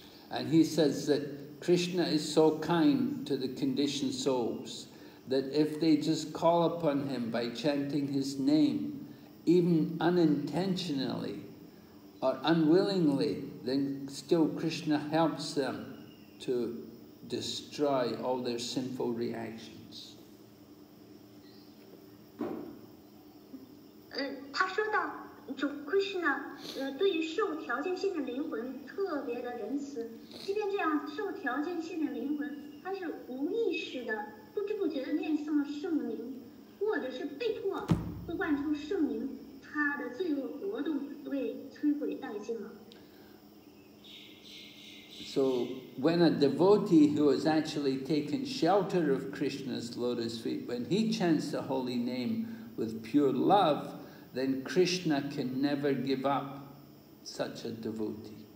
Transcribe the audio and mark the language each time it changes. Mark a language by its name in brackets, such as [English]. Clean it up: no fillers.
[English] And he says that Krishna is so kind to the conditioned souls that if they just call upon him by chanting his name,even unintentionally or unwillingly, then still Krishna helps them to destroy all their sinful reactions. [Chinese] 他说到主 Krishna 对于受条件性的灵魂特别的仁慈，即便这样受条件性的灵魂，他是无意识的、不知不觉的念诵了圣名，或者是被迫呼唤出圣名。 [English] So when a devotee who has actually taken shelter of Krishna's lotus feet, when he chants the holy name with pure love, then Krishna can never give up such a devotee.